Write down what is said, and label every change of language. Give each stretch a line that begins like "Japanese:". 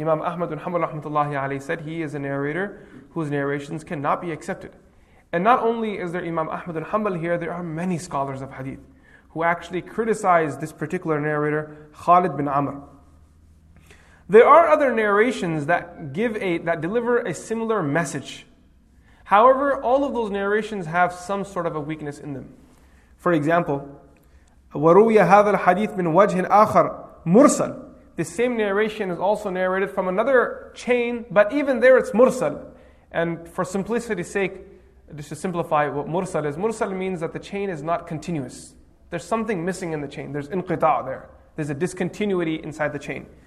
English: Imam Ahmad bin Hanbal rahmatullahi alayhi said he is a narrator whose narrations cannot be accepted. And not only is there Imam Ahmad bin Hanbal here, there are many scholars of hadith who actually criticized this particular narrator, Khalid bin Amr. There are other narrations that deliver a similar message. However, all of those narrations have some sort of a weakness in them. For example,
Arabic: وَرُوِيَ هَذَا الْحَدِيثِ مِنْ وَجْهٍ آخَرٍ مُرْسَلٍ.
English: The same narration is also narrated from another chain, but even there it's mursal. And for simplicity's sake, just to simplify what mursal is, mursal means that the chain is not continuous. There's something missing in the chain. There's inqita' there. There's a discontinuity inside the chain.